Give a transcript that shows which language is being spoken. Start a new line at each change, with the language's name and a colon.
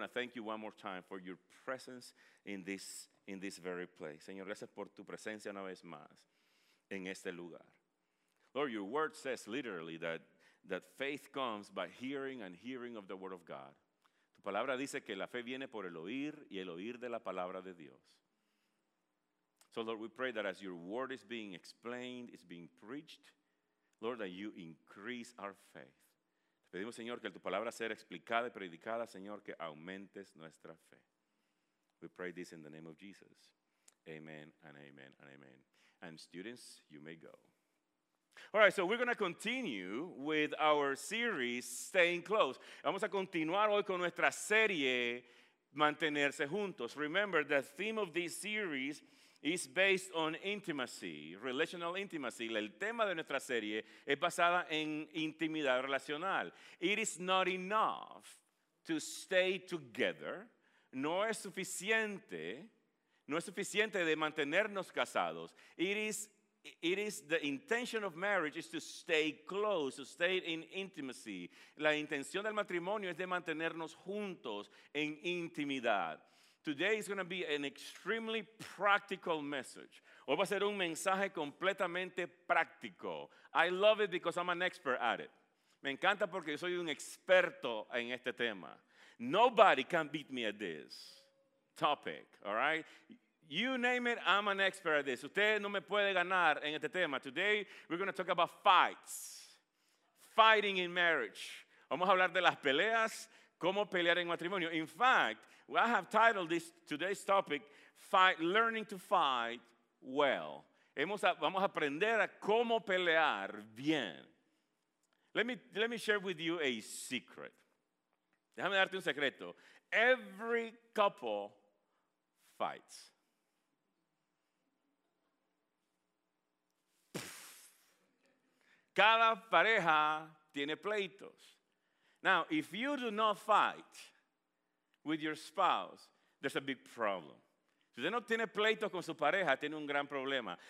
English: to thank you one more time for your presence in this very place.
Spanish: Señor, gracias por tu presencia una vez más en este lugar.
English: Lord, your word says literally that faith comes by hearing and hearing of the word of God.
Spanish: Tu palabra dice que la fe viene por el oír y el oír de la palabra de Dios.
English: So Lord, we pray that as your word is being explained, is being preached, Lord, that you increase our faith.
Spanish: Pedimos, Señor, que tu palabra sea explicada y predicada, Señor, que aumentes nuestra fe.
English: We pray this in the name of Jesus. Amen and amen and amen. And students, you may go. All right, so we're going to continue with our series, Staying Close.
Spanish: Vamos a continuar hoy con nuestra serie, Mantenerse Juntos.
English: Remember, the theme of this series is based on intimacy, relational intimacy.
Spanish: El tema de nuestra serie es basada en intimidad relacional.
English: It is not enough to stay together.
Spanish: No es suficiente de mantenernos casados.
English: It is the intention of marriage is to stay close, to stay in intimacy.
Spanish: La intención del matrimonio es de mantenernos juntos en intimidad.
English: Today is going to be an extremely practical message.
Spanish: Hoy va a ser un mensaje completamente práctico.
English: I love it because I'm an expert at it.
Spanish: Me encanta porque yo soy un experto en este tema.
English: Nobody can beat me at this topic, all right? You name it, I'm an expert at this.
Spanish: Usted no me puede ganar en este tema.
English: Today we're going to talk about fights, fighting in marriage.
Spanish: Vamos a hablar de las peleas, cómo pelear en matrimonio.
English: In fact, I have titled today's topic, fight, Learning to Fight Well.
Spanish: Vamos a aprender a cómo pelear bien.
English: Let me share with you a secret.
Spanish: Déjame darte un secreto.
English: Every couple fights.
Spanish: Cada pareja tiene pleitos.
English: Now, if you do not fight with your spouse, there's a big problem.
Spanish: Si usted no tiene pleito con su pareja, tiene un gran problema.